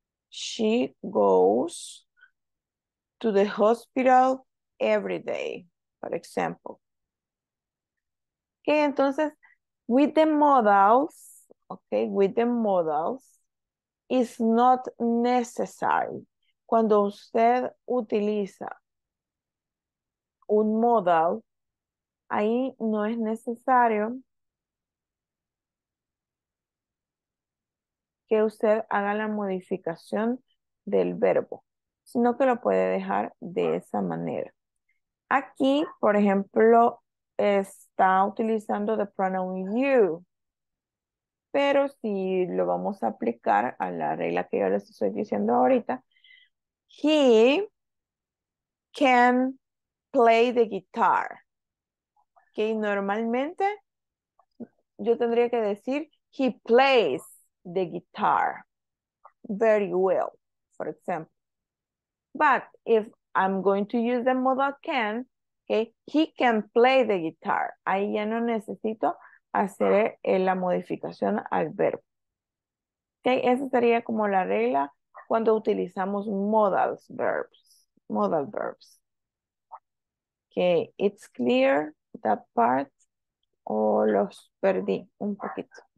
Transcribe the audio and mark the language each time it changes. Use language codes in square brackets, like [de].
[en] She goes to the hospital every day, for example. Okay, entonces, with the modals, it's not necessary. [es] Cuando usted utiliza un modal, ahí no es necesario que usted haga la modificación del verbo, sino que lo puede dejar de esa manera. Aquí, por ejemplo, está utilizando [en] the pronoun you, [es] pero si lo vamos a aplicar a la regla que yo les estoy diciendo ahorita, [en] he can play the guitar. [es] Que normalmente yo tendría que decir [en] he plays the guitar very well, for example. But if I'm going to use the modal can, okay, he can play the guitar. [es] Ahí ya no necesito hacer la modificación al verbo. Okay, esa sería como la regla cuando utilizamos modal verbs. [en] Okay, it's clear. That part, [es] o los perdí un poquito.